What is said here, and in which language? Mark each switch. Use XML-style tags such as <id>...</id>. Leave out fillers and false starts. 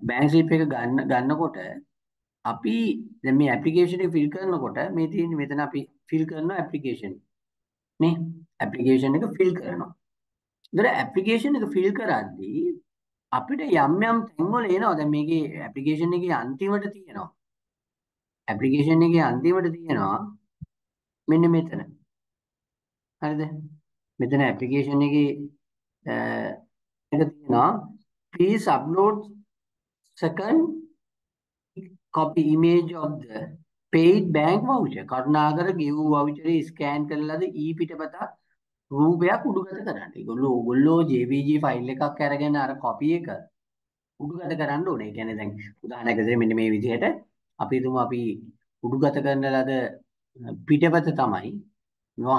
<si>Bank slip එක ගන්නකොට අපි දැන් මේ ඇප්ලිකේෂන් එක ෆිල් කරනකොට මේ තියෙන්නේ මෙතන අපි ෆිල් කරන ඇප්ලිකේෂන් නේ. ඇප්ලිකේෂන් එක ෆිල් කරනවා. ඉතින් ඇප්ලිකේෂන් එක ෆිල් කරද්දී අපිට යම් යම් තැන්වල එනවා. දැන් මේකේ ඇප්ලිකේෂන් එකේ අන්තිමට තියෙනවා. ඇප්ලිකේෂන් එකේ අන්තිමට තියෙනවා මෙන්න මෙතන. හරිද? මෙතන ඇප්ලිකේෂන් එකේ එක තියෙනවා</si> <en>please upload second copy image of the paid bank voucher.</en> <si>කරුණාකර ගෙවු වවුචරේ ස්කෑන් කරලාද ඊ පිටපත රූපයක් උඩුගත කරන්න. ඒගොල්ලෝ ඕගොල්ලෝ JPG ෆයිල් එකක් අරගෙන අර කොපි එක උඩුගත කරන්න ඕනේ. ඒ කියන්නේ දැන් උදාහරණයක් විදිහට මෙන්න මේ විදිහට අපි හිතමු අපි උඩුගත කරන ලද පිටපත තමයි නෝ.</si>